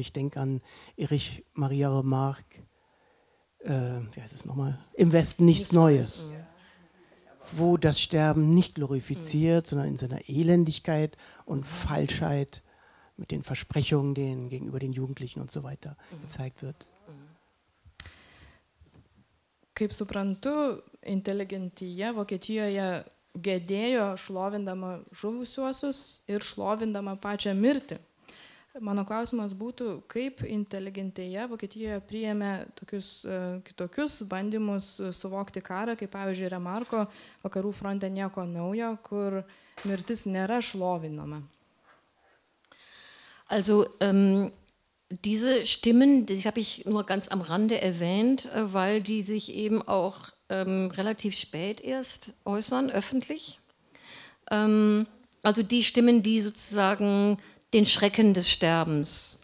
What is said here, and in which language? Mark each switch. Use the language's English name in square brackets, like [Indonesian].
[German] Ich denke an Erich Maria Remarque. Wie heißt es nochmal? Im Westen nichts Neues. Wo das Sterben nicht glorifiziert, sondern in seiner Elendigkeit und Falschheit mit den Versprechungen denen gegenüber den Jugendlichen und so weiter gezeigt wird. [Lithuanian] Kaip suprantu, inteligentija Vokietijoje gedėjo šlovindama žuvusiuosius ir šlovindama pačią mirtį. Mano klausimas būtų, kaip inteligentija Vokietijoje priėmė tokius kitokius bandymus suvokti karą, kaip pavyzdžiui Remarko Vakarų fronte nieko naujo, kur mirtis nėra šlovinama. [German] Also diese Stimmen, die habe ich nur ganz am Rande erwähnt, weil die sich eben auch relativ spät erst äußern öffentlich. Also die Stimmen, die sozusagen den Schrecken des Sterbens.